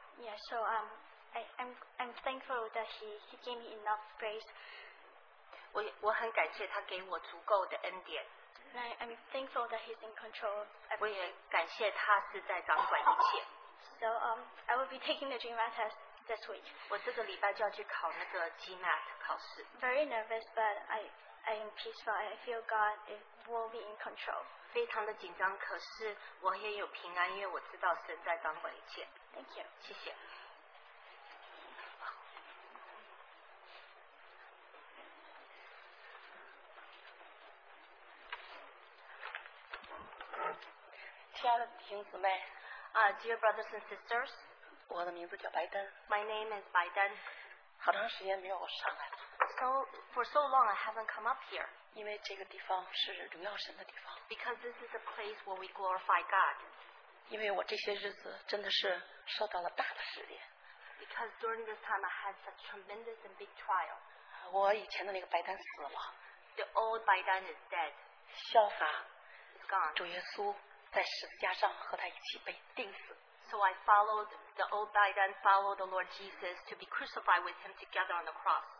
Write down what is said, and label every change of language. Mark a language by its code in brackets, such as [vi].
[en] Yeah, so I'm thankful that he gave me enough grace. [zh] 我很感谢他给我足够的恩典。 [en] I'm thankful that he's in control of everything. [zh] 我也感谢他是在掌管一切。 [en] So I will be taking the GMAT test this week. [zh] 我这个礼拜就要去考那个GMAT考试。 [en] Very nervous, but I am peaceful. I feel God will be in control. [zh] 非常的紧张，可是我也有平安，因为我知道神在掌管一切。 [en] Thank you. [zh] 谢谢。亲爱的弟兄姊妹, [en] dear brothers and sisters, [zh] 我的名字叫白丹, [en] my name is Baidan. [zh] 好长时间没有上来了, [en] so, for so long, I haven't come up here. [zh] 因为这个地方是荣耀神的地方, [en] because this is a place where we glorify God. [zh] 因为我这些日子真的是受到了大的试炼, [en] because during this time, I had such tremendous and big trial. [zh] 我以前的那个白丹死了, [en] the old Baidan is dead. [zh] 效法, [en] it's gone. [zh] 主耶稣, 在十字架上和他一起被钉死。 [en] So I followed the old guy, then followed the Lord Jesus to be crucified with him together on the cross.